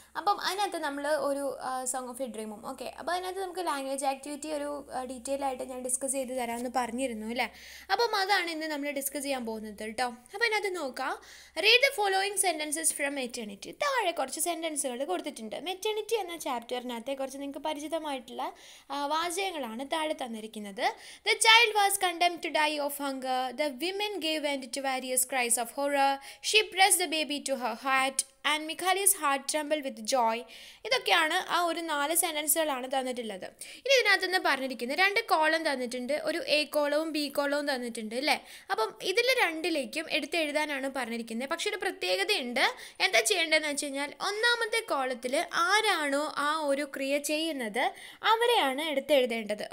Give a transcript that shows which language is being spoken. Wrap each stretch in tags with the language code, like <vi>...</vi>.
<ml>അപ്പം അതിനകത്ത് നമ്മൾ ഒരു സോങ് ഓഫ് ഡ്രീമും ഓക്കെ. അപ്പോൾ അതിനകത്ത് നമുക്ക് ലാംഗ്വേജ് ആക്ടിവിറ്റി ഒരു ഡീറ്റെയിൽ ആയിട്ട് ഞാൻ ഡിസ്കസ് ചെയ്ത് തരാമെന്ന് പറഞ്ഞിരുന്നു അല്ലേ. അപ്പം അതാണ് ഇന്ന് നമ്മൾ ഡിസ്കസ് ചെയ്യാൻ പോകുന്നത് കേട്ടോ. അപ്പോൾ അതിനകത്ത് നോക്കാം.</ml> <en>Read the following sentences from maternity.</en> <ml>താഴെ കുറച്ച് സെൻറ്റൻസുകൾ കൊടുത്തിട്ടുണ്ട്. മെറ്റേണിറ്റി എന്ന ചാപ്റ്ററിനകത്തെ കുറച്ച് നിങ്ങൾക്ക് പരിചിതമായിട്ടുള്ള വാചകങ്ങളാണ് താഴെ തന്നിരിക്കുന്നത്.</ml> <en>The child was condemned to die of hunger. The women gave vent to various cries of horror. She pressed the baby to her heart and Mikhail's heart trembled with joy.</en> <ml>ഇതൊക്കെയാണ് ആ ഒരു നാല് സെൻറ്റൻസുകളാണ് തന്നിട്ടുള്ളത്. ഇനി ഇതിനകത്ത് നിന്ന് പറഞ്ഞിരിക്കുന്നത് രണ്ട് കോളം തന്നിട്ടുണ്ട്, ഒരു എ കോളവും ബി കോളവും തന്നിട്ടുണ്ട് അല്ലേ. അപ്പം ഇതിൽ രണ്ടിലേക്കും എടുത്ത് എഴുതാനാണ് പറഞ്ഞിരിക്കുന്നത്. പക്ഷെ ഒരു പ്രത്യേകതയുണ്ട്. എന്താ ചെയ്യേണ്ടതെന്ന് വെച്ച് കഴിഞ്ഞാൽ ഒന്നാമത്തെ കോളത്തിൽ ആരാണോ ആ ഒരു ക്രിയ ചെയ്യുന്നത് അവരെയാണ് എടുത്തെഴുതേണ്ടത്.</ml>